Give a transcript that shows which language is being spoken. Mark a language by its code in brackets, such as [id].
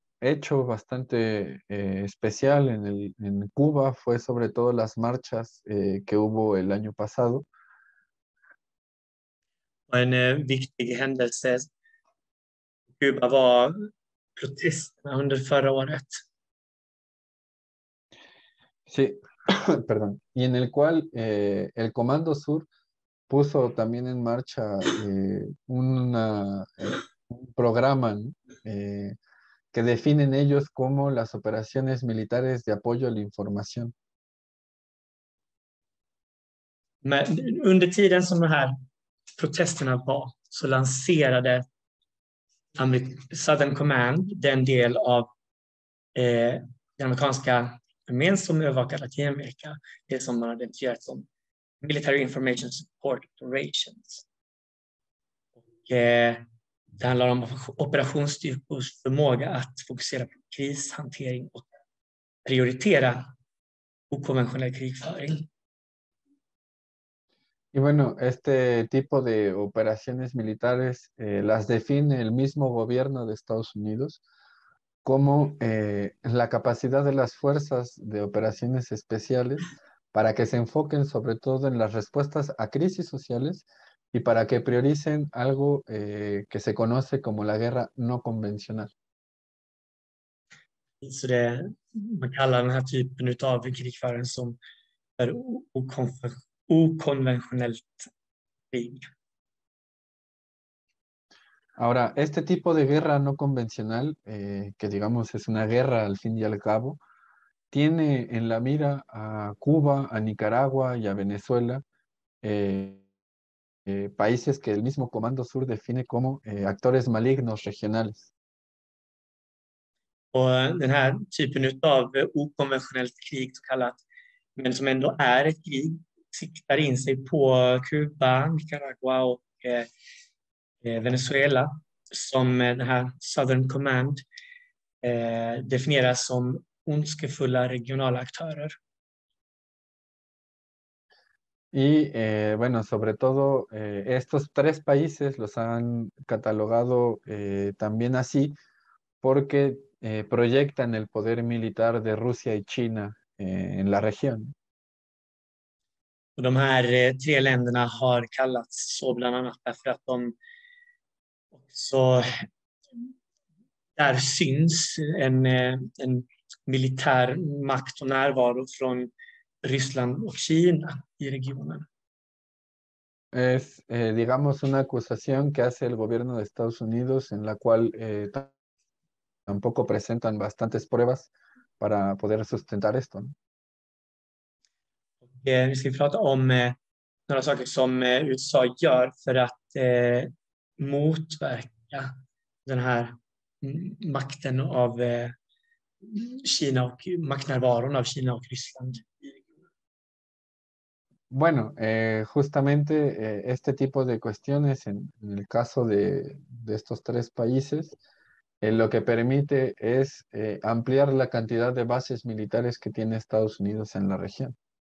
[es] hecho bastante especial en Cuba fue sobre todo las marchas que hubo el año pasado. [sv] Una wichtige händelse i Kuba var protesterna under förra året. [es] Sí, perdón. Y en el cual el Comando Sur puso también en marcha un programa que definen ellos como las operaciones militares de apoyo a la información. [sv] Men under tiden som de här protesterna var så lanserade Southern Command den del av den amerikanska armén som övervakar Latinamerika, det som man identifierat som Military Information Support Operations. Och, det handlar om operationsstyrkors förmåga att fokusera på krishantering och prioritera okonventionell krigföring. [es] Y bueno, este tipo de operaciones militares las define el mismo gobierno de Estados Unidos como la capacidad de las fuerzas de operaciones especiales para que se enfoquen sobre todo en las respuestas a crisis sociales y para que prioricen algo que se conoce como la guerra no convencional. [sv] Så det man kallar den här typen utav krigföring som är okonventionellt krig. [es] Ahora, este tipo de guerra no convencional, que digamos es una guerra al fin y al cabo, tiene en la mira a Cuba, a Nicaragua y a Venezuela, países que el mismo Comando Sur define como actores malignos regionales. [sv] Och den här typen av okonventionellt krig så kallat, men som ändå är ett krig, siktar in sig på Kuba, Nicaragua och Venezuela som den här Southern Command definieras som ondskefulla regionala aktörer. [es] Y bueno, sobre todo estos tres países los han catalogado también así porque proyectan el poder militar de Rusia y China en la región. [sv] De här tre länderna har kallats så bland annat därför att de så där syns en militär makt och närvaro från Ryssland och Kina i regionen. [es] Es digamos una acusación que hace el gobierno de Estados Unidos en la cual tampoco presentan bastantes pruebas para poder sustentar esto, ¿no? [sv] Vi ska prata om några saker som USA gör för att motverka den här makten av Kina och maktnärvaron av Kina och Ryssland. [es] Bueno, justamente este tipo de cuestiones en el caso de estos tres países, lo que permite es ampliar la cantidad de bases militares que tiene Estados Unidos en la región.